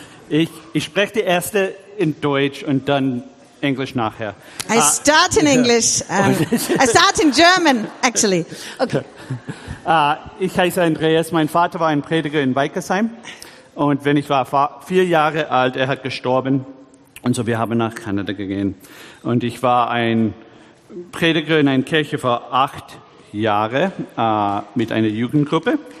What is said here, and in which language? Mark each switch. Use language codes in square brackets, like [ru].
[de] Ich spreche die erste in Deutsch und dann Englisch nachher. [en] I start in English. I start in German, actually. [de] Okay. Ich heiße Andreas. Mein Vater war ein Prediger in Weikersheim. Und wenn ich war 4 Jahre alt, er hat gestorben. Und so, wir haben nach Kanada gegangen. Und ich war ein Prediger in einer Kirche vor 8 Jahren mit einer Jugendgruppe.